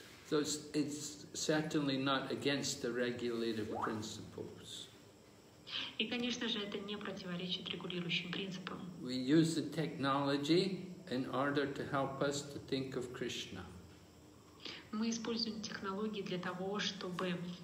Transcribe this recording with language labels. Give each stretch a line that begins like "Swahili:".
English: So it's certainly not against the regulative principles.
Russian: И, конечно же, это не противоречит регулирующим принципам.
English: We use the technology in order to help us to think of Krishna.
Russian: Мы используем технологии для того, чтобы